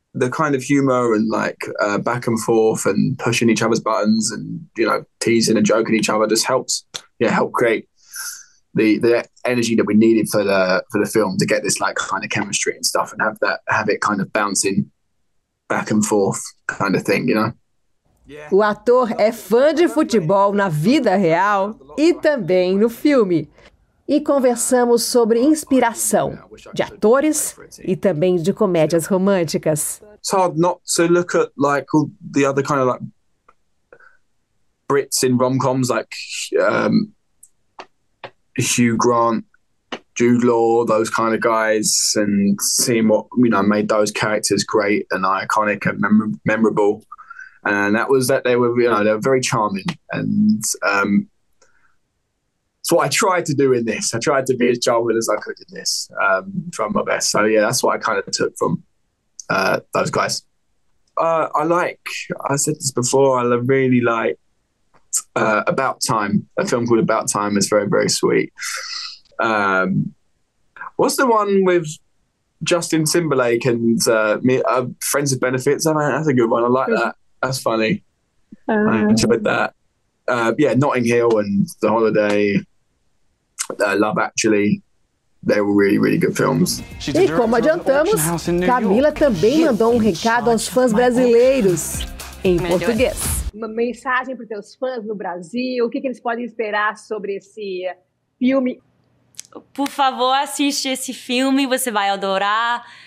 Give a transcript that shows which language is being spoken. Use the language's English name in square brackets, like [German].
[English] The kind of humor and like back and forth and pushing each other's buttons and, you know, teasing and joking each other just helps, yeah, help create the energy that we needed for the film to get this like kind of chemistry and stuff and have it kind of bouncing back and forth kind of thing, you know. [Portuguese] O ator é fã de futebol na vida real e também no filme. E conversamos sobre inspiração de atores e também de comédias românticas. [English] It's hard not to look at like the other kind of like Brits in rom-coms, like Hugh Grant, Jude Law, those kind of guys, and seeing what, you know, made those characters great and iconic and memorable. And that was that they were, you know, they were very charming. And so what I tried to do in this. I tried to be as charming as I could in this, trying my best. So yeah, that's what I kind of took from those guys. I said this before, I really like About Time, a film called About Time. Is very, very sweet. What's the one with Justin Timberlake and Friends with Benefits? That's a good one. I like that. That's funny. I enjoyed that. Yeah, Notting Hill and The Holiday, Love Actually. They were really, really good films. [Portuguese] E como adiantamos, Camila também mandou um recado aos fãs brasileiros em português. Uma mensagem para os teus fãs no Brasil, o que eles podem esperar sobre esse filme? Por favor, assiste esse filme, você vai adorar.